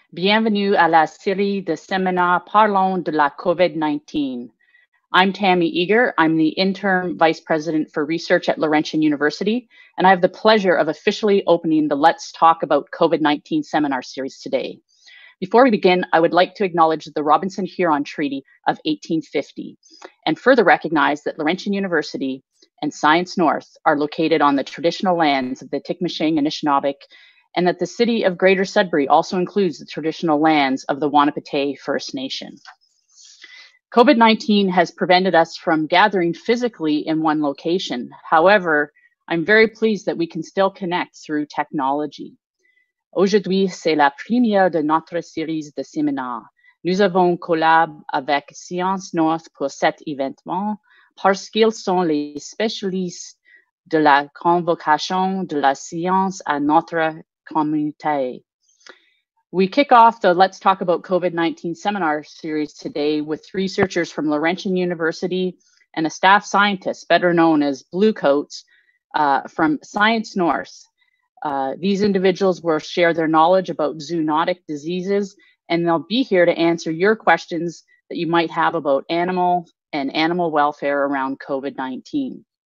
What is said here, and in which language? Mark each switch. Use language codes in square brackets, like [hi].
[fr] Bienvenue à la série de séminaires Parlons de la COVID-19. [en] I'm Tammy Eager. I'm the Interim Vice President for Research at Laurentian University, and I have the pleasure of officially opening the Let's Talk About COVID-19 seminar series today. Before we begin, I would like to acknowledge the Robinson-Huron Treaty of 1850 and further recognize that Laurentian University and Science North are located on the traditional lands of the Tikmishing Anishinaabeg, and that the city of Greater Sudbury also includes the traditional lands of the Wanapate First Nation. COVID-19 has prevented us from gathering physically in one location. However, I'm very pleased that we can still connect through technology. [fr] Aujourd'hui, c'est la première de notre série de séminaires. Nous avons collaboré avec Science North pour cet événement parce qu'ils sont les spécialistes de la convocation de la science à notre communauté. [en] We kick off the Let's Talk About COVID-19 seminar series today with researchers from Laurentian University and a staff scientist, better known as Bluecoats, from Science North. These individuals will share their knowledge about zoonotic diseases, and they'll be here to answer your questions that you might have about animal and animal welfare around COVID-19.